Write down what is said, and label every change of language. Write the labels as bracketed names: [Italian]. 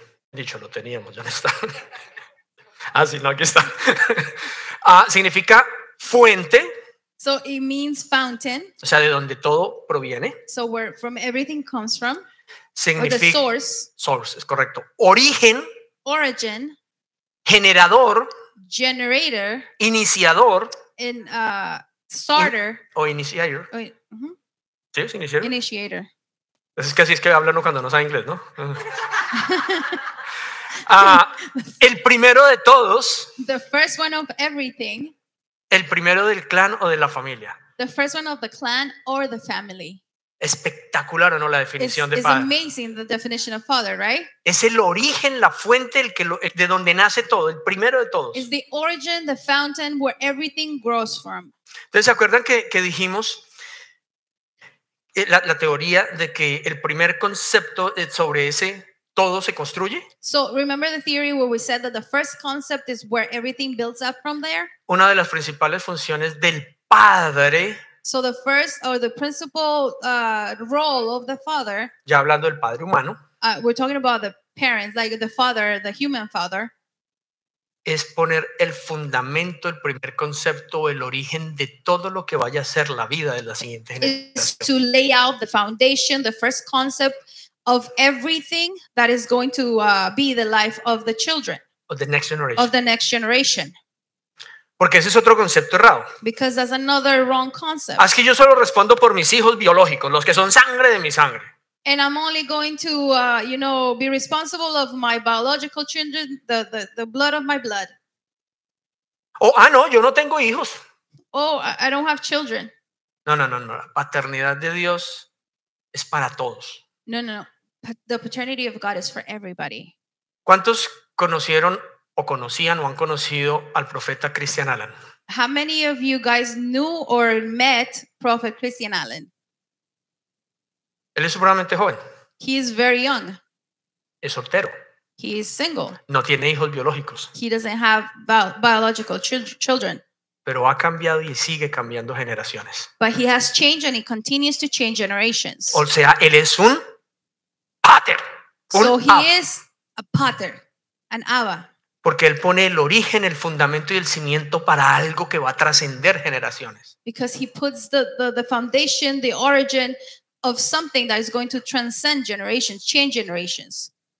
[Spanish] Dicho, lo teníamos, ya no está. Ah, sí, no, aquí está. Significa fuente. [English] So it means fountain. [Spanish] O sea, de donde todo proviene. [English] So where from everything comes from. [Spanish] Significa, [English] or the source. [Spanish] Source, es correcto. Origen. [English] Origin. [Spanish] Generador. [English] Generator. [Spanish] Iniciador. [English] In, starter. [Spanish] Iniciator. Uh-huh. ¿Sí? ¿Es iniciador? [English] Initiator. [Spanish] Es que así es que habla uno cuando no sabe inglés, ¿no? el primero de todos. [English] The first one of everything. [Spanish] El primero del clan o de la familia. [English] The first one of the clan or the family. [Spanish] Espectacular, ¿no? La definición de padre. [English] It's amazing, the definition of father, right? [Spanish] Es el origen, la fuente, de donde nace todo, el primero de todos. [English] It's the origin, the fountain where everything grows from. [Spanish] Entonces, ¿se acuerdan que dijimos la teoría de que el primer concepto sobre ese todo se construye? [English] So, remember the theory where we said that the first concept is where everything builds up from there? [Spanish] Una de las principales funciones del padre. [English] So the first or the principal role of the father. [Spanish] Ya hablando del padre humano. [English] We're talking about the parents, like the father, the human father. [Spanish] Es poner el fundamento, el primer concepto, el origen de todo lo que vaya a ser la vida de la siguiente generación. [English] Is to lay out the foundation, the first concept of everything that is going to be the life of the children. Of the next generation. Of the next generation. [Spanish] Porque ese es otro concepto errado. [English] Because that's another wrong concept. [Spanish] Es que yo solo respondo por mis hijos biológicos, los que son sangre de mi sangre. [English] And I'm only going to, be responsible of my biological children, the blood of my blood. [Spanish] Oh, no, yo no tengo hijos. [English] Oh, I don't have children. [Spanish] No. La paternidad de Dios es para todos. [English] No. The paternity of God is for everybody. [Spanish] ¿Cuántos conocieron o conocían o han conocido al profeta Christian Allen? [English] How many of you guys knew or met Prophet Christian Allen? [Spanish] Él es supremamente joven. [English] He is very young. [Spanish] Es soltero. [English] He is single. [Spanish] No tiene hijos biológicos. [English] He doesn't have biological children. [Spanish] Pero ha cambiado y sigue cambiando generaciones. [English] But he has changed and he continues to change generations. [Spanish] O sea, él es un pater. [English] So he is a pater, an Abba. [Spanish] Porque él pone el origen, el fundamento y el cimiento para algo que va a trascender generaciones. [English] Because he puts the foundation, the origin of something that is going to transcend generations, change generations.